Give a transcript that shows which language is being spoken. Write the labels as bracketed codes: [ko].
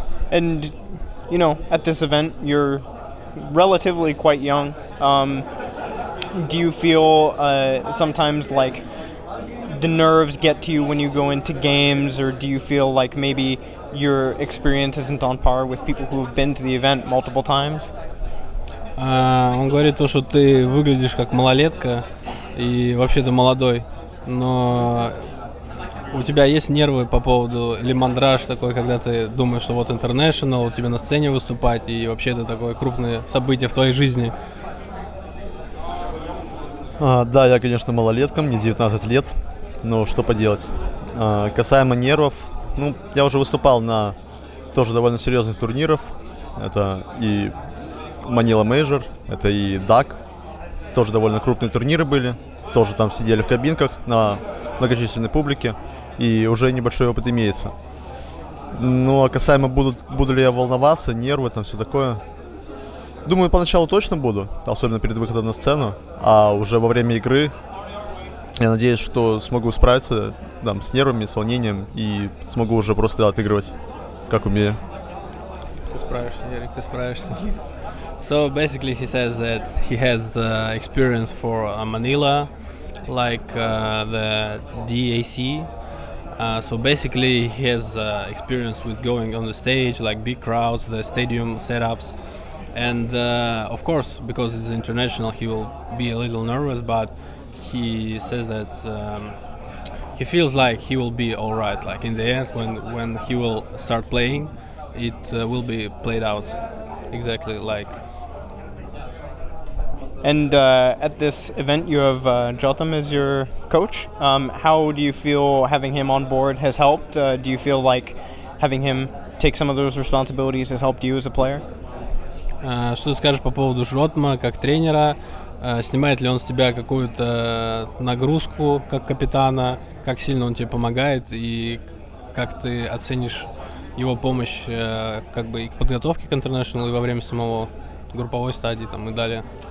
[en] And you know, at this event you're relatively quite young. Do you feel sometimes like the nerves get to you when you go into games, or do you feel like maybe your experience isn't on par with people who have been to the event multiple times? [ru] Он говорит то, что ты выглядишь как малолетка, и вообще ты молодой. Но у тебя есть нервы по поводу, или мандраж такой, когда ты думаешь, что вот International, тебе на сцене выступать, и вообще это такое крупное событие в твоей жизни? Да, я, конечно, малолетка, мне 19 лет, но что поделать. Касаемо нервов, ну, я уже выступал на тоже довольно серьезных турнирах. Это и Manila Major, это и DAC. Тоже довольно крупные турниры были. Тоже там сидели в кабинках на многочисленной публике. И уже небольшой опыт имеется. Ну, а касаемо, буду ли я волноваться, нервы, там все такое. Думаю, поначалу точно буду, особенно перед выходом на сцену. А уже во время игры, Я надеюсь, что смогу справиться там с нервами, с волнением и смогу уже просто отыгрывать, как умею. Ты справишься, Ярик, ты справишься. [en] So basically, he says that he has experience for Manila, like the DAC. So basically, he has experience with going on the stage, like big crowds, the stadium setups. And of course, because it's international, he will be a little nervous, but he says that he feels like he will be all right. Like in the end, when he will start playing, it will be played out exactly like. And at this event, you have Jotham as your coach. How do you feel having him on board has helped? Do you feel like having him take some of those responsibilities has helped you as a player? [ru] Что ты скажешь по поводу Жотма как тренера? Снимает ли он с тебя какую-то нагрузку как капитана? Как сильно он тебе помогает? И как ты оценишь его помощь как бы и к подготовке к интернешнл, и во время самого групповой стадии там, и далее?